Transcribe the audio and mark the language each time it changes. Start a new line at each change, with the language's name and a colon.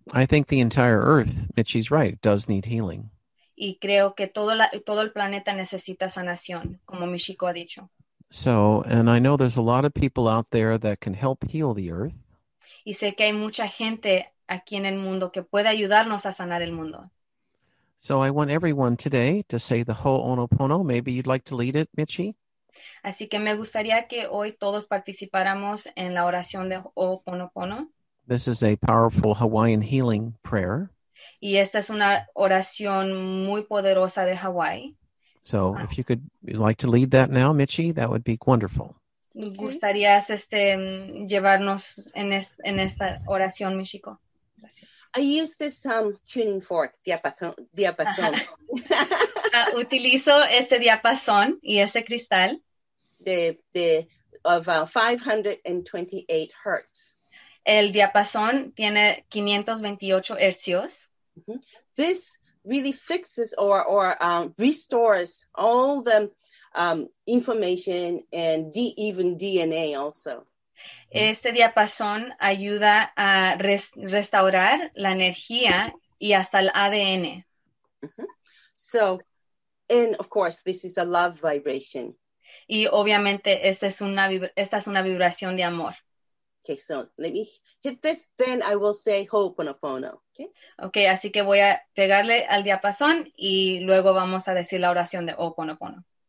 English: I think the entire Earth, Mitchie's right, does need healing.
Spanish: Y creo que todo el planeta necesita sanación, como Michiko ha dicho.
English: So, and I know there's a lot of people out there that can help heal the Earth.
Spanish: Y sé que hay mucha gente aquí en el mundo que puede ayudarnos a sanar el mundo.
English: So I want everyone today to say the Ho'oponopono. Maybe you'd like to lead it, Mitchie.
Spanish: Así que me gustaría que hoy todos participáramos en la oración de Ho'oponopono.
English: This is a powerful Hawaiian healing prayer.
Spanish: Y esta es una oración muy poderosa de Hawaii.
English: So if you could like to lead that now, Mitchie, that would be wonderful.
Spanish: ¿Gustarías llevarnos en esta oración, Michiko?
English: I use this tuning fork, diapasón.
Spanish: utilizo diapasón y ese cristal.
English: Of 528 hertz.
Spanish: El diapasón tiene 528 hercios. Mm-hmm.
English: This really fixes or restores all the information and even DNA also.
Spanish: Este diapasón ayuda a restaurar la energía y hasta el ADN. Mm-hmm.
English: So, and of course, this is a love vibration.
Spanish: Y obviamente esta es una vibración de amor.
English: Okay, so let me hit this, then I will say Ho'oponopono. Okay,
Spanish: así que voy a pegarle al diapasón y luego vamos a decir la oración de Ho'oponopono.